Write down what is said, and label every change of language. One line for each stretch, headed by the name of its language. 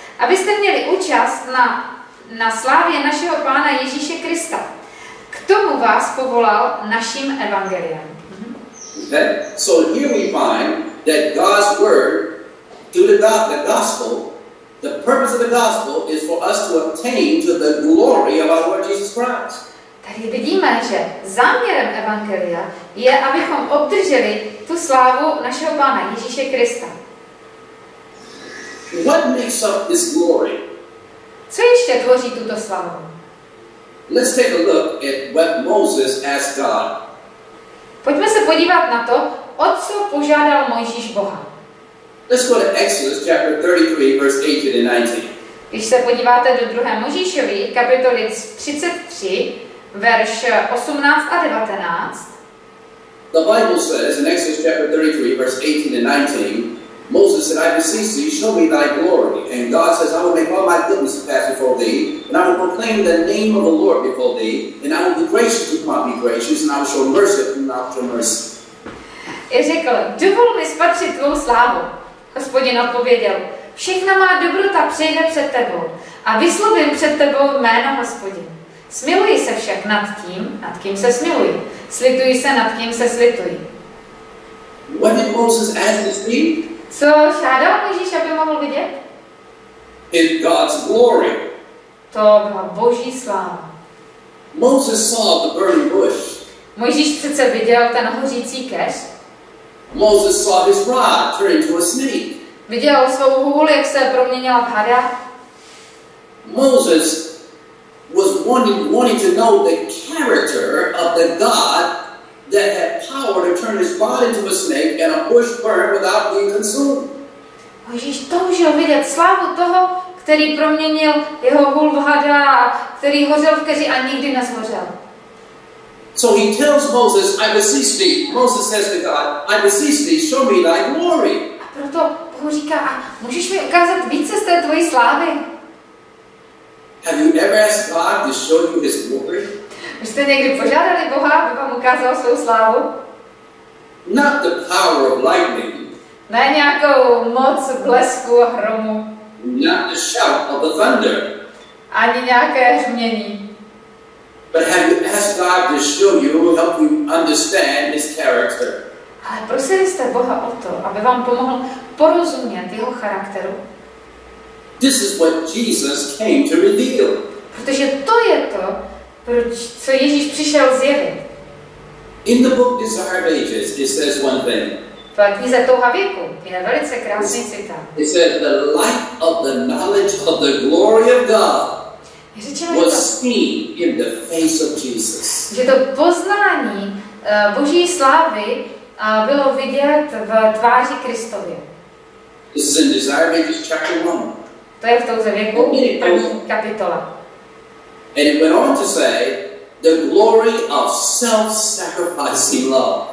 Czech: Abyste měli účast na slávě našeho Pána Ježíše Krista. K tomu vás povolal naším evangeliem.
English: Okay. So here we find that God's word, the gospel, the purpose of the gospel is for us to attain to the glory of our Lord Jesus Christ.
Czech: Tady vidíme, že záměrem evangelia je, abychom obdrželi tu slávu našeho Pána Ježíše Krista.
English: What makes up this glory?
Czech: Co ještě tvoří tuto slávu?
English: Let's take a look at what Moses asked God.
Czech: Pojďme se podívat na to, o co požádal Mojžíš Boha.
English: Let's go to Exodus chapter 33, verse 18 and 19.
Czech: Když se podíváte do 2. Mojžíšovy kapitoly 33, verš 18 a 19.
English: The Bible says in Exodus chapter 33, verse 18 and 19, Moses said, I beseech thee, show me thy glory. And God says, I will make all my goodness pass before thee, and I will proclaim the name of the Lord before thee, and I will be gracious to whom I be gracious, and I will show mercy to whom I show mercy.
Czech: I řekl, dovol mi spatřit tvou slávu. Hospodin odpověděl, všechna má dobrota přijde před tebou a vyslovím před tebou jméno Hospodin. Smiluji se však nad tím, nad kým se smiluji. Slituji se nad kým se slituji.
English: What did Moses ask to see?
Czech: Co žádal Ježíš, aby mohl vidět?
English: In God's glory.
Czech: To byla Boží sláva.
English: Moses saw the burning bush.
Czech: Mojžíš přece viděl ten hořící keř.
English: Moses saw his rod turn into a snake.
Czech: Viděl svou hůl, jak se proměnila v hada.
English: Moses was wanting to know the character of the God that had power to turn his rod into a snake and a bush burn without being consumed.
Czech: Mojžíš toužil vidět slávu toho, který proměnil jeho hůl v hada, který hořel v keři a nikdy neshořel.
English: So he tells Moses, I beseech thee. Moses says to God, I beseech thee, show me thy glory.
Czech: A proto Bohu říká, a můžeš mi ukázat více z té tvojí slávy?
English: Have you ever asked God to show you his glory?
Czech: Už jste někdy požádali Boha, aby vám ukázal svou slávu?
English: Not the power of lightning.
Czech: Ne nějakou moc blesku a hromu.
English: Not the shout of the thunder.
Czech: Ani nějaké hřmění.
English: But have you asked God to show you, help you understand His character?
Czech: Ale prosili jste Boha o to, aby vám pomohl porozumět jeho charakteru?
English: This is what Jesus came to reveal.
Czech: Protože to je to, proč co Ježíš přišel zjevit.
English: In the book Desire of Ages, it says one thing.
Czech: V knize Touha věku je velice krásný citát.
English: It says the light of the knowledge of the glory of God. Was seen in the face of Jesus.
Czech: Že to poznání Boží slávy bylo vidět v tváři Kristově.
English: This is in Desire of Ages chapter 1.
Czech: To je v Touze věku, první kapitola.
English: And it went on to say, the glory of self-sacrificing love.